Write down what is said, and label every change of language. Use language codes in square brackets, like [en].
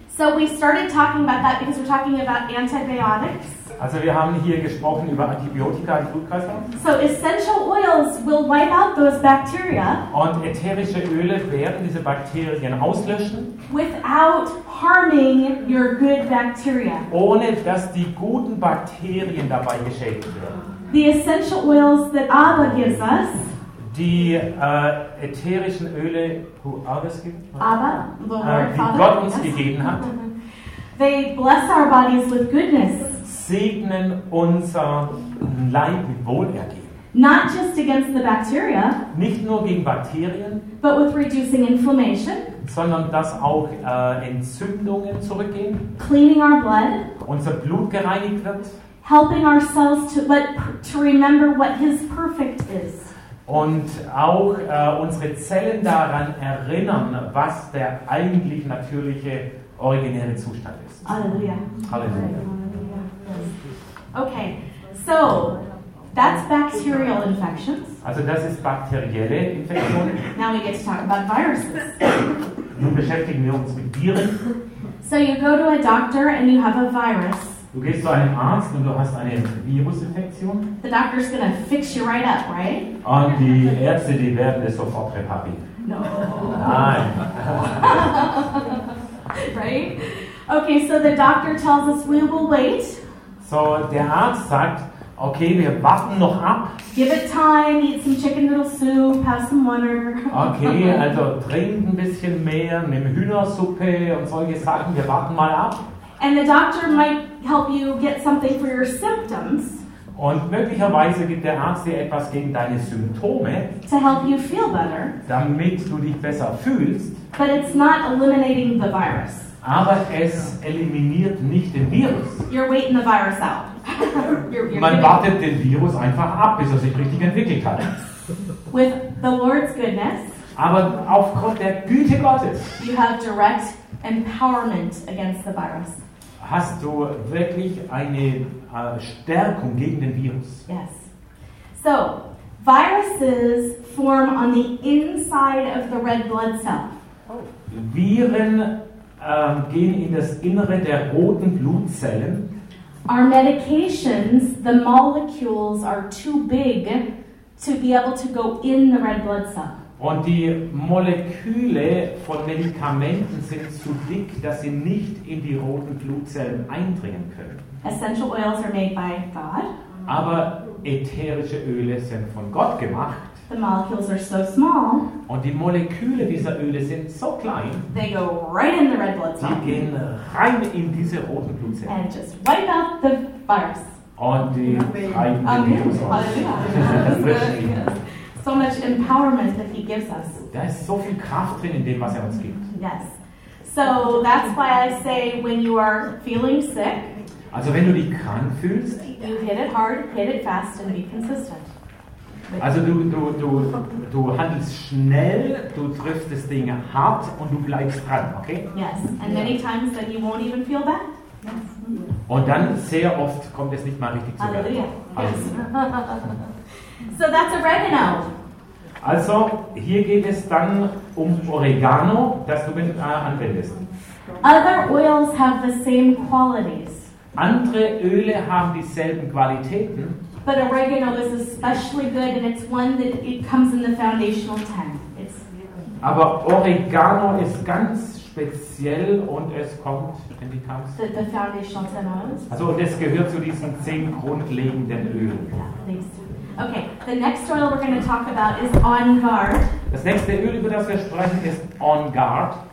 [en] So we started talking about that because we're talking about antibiotics. [de] Also wir haben hier gesprochen über Antibiotika im Blutkreislauf. [en] So essential oils will wipe out those bacteria. [de] Und ätherische Öle werden diese Bakterien auslöschen. [en] Without harming your good bacteria. [de] Ohne dass die guten Bakterien dabei geschädigt werden. [en] The essential oils that Abba gives us. [de] Die ätherischen Öle, [en] who Abba's [de] gibt, Abba, die Gott uns gegeben hat. [en] They bless our bodies with goodness. [de] Segnen unser Leib mit Wohlergehen. [en] Not just against the bacteria. [de] Nicht nur gegen Bakterien. [en] But with reducing inflammation. [de] Sondern dass auch Entzündungen zurückgehen. [en] Cleaning our blood. [de] Unser Blut gereinigt wird. [en] Helping ourselves to remember what His perfect is. [de] Und auch unsere Zellen daran erinnern, was der eigentlich natürliche, originäre Zustand ist. [en] Halleluja. [de] Halleluja. [en] Okay, so that's bacterial infections. [de] Also das ist bakterielle Infektion. [en] Now we get to talk about viruses. [de] Nun beschäftigen wir uns mit Viren. [en] So you go to a doctor and you have a virus. [de] Du gehst zu einem Arzt und du hast eine Virusinfektion. [en] The doctor's gonna fix you right up, right? [de] Und die Ärzte, die werden es sofort reparieren. [en] No. [de] Nein. [en] Right? Okay, so the doctor tells us we will wait. [de] So der Arzt sagt, okay, wir warten noch ab. [en] Give it time, eat some chicken noodle soup, have some water. [de] Okay, also trink ein bisschen mehr, nimm Hühnersuppe und solche Sachen, wir warten mal ab. [en] And the doctor might help you get something for your symptoms. [de] Und möglicherweise gibt der Arzt dir etwas gegen deine Symptome. [en] To help you feel better. [de] Damit du dich besser fühlst. [en] But it's not eliminating the virus. [de] Aber es eliminiert nicht den Virus. [en] You're waiting the virus out. [de] Man wartet den Virus einfach ab, bis er sich richtig entwickelt hat. [en] With the Lord's goodness. [de] Aber aufgrund der Güte Gottes. [en] You have direct empowerment against the virus. [de] Hast du wirklich eine Stärkung gegen den Virus? [en] Yes. So, viruses form on the inside of the red blood cell. [de] Viren gehen in das Innere der roten Blutzellen. [en] Our medications, the molecules are too big to be able to go in the red blood cell. [de] Und die Moleküle von Medikamenten sind zu dick, dass sie nicht in die roten Blutzellen eindringen können. [en] Essential oils are made by God. [de] Aber ätherische Öle sind von Gott gemacht. [en] The molecules are so small. [de] Und die Moleküle dieser Öle sind so klein. [en] They go right in the red blood cell. [de] Die gehen rein in diese roten Blutzellen. [en] And just wipe out the virus. [de] Und die reinigen die Virus aus. [en] So much empowerment that he gives us. [de] Da ist so viel Kraft drin in dem, was uns gibt. [en] Yes. So that's why I say when you are feeling sick. [de] Also wenn du dich krank fühlst. [en] You hit it hard, hit it fast, and be consistent. [de] Also du handelst schnell, du triffst das Ding hart und du bleibst dran, okay? [en] Yes, and many times that you won't even feel that. Yes. [de] Und dann sehr oft kommt es nicht mal richtig zu [en] werden. Yes. So that's oregano. [de] Also hier geht es dann um Oregano, das du anwendest. [en] Other oils have the same qualities. [de] Andere Öle haben dieselben Qualitäten. [en] But oregano is especially good, and it's one that it comes in the foundational 10. [de] Aber Oregano ist ganz speziell und es kommt in die Tanks. [en] The foundational 10 oils. [de] Also das gehört zu diesen 10 grundlegenden Ölen. [en] Okay, the next oil we're going to talk about is On Guard. [de] Das nächste Öl, über das wir sprechen, ist On Guard.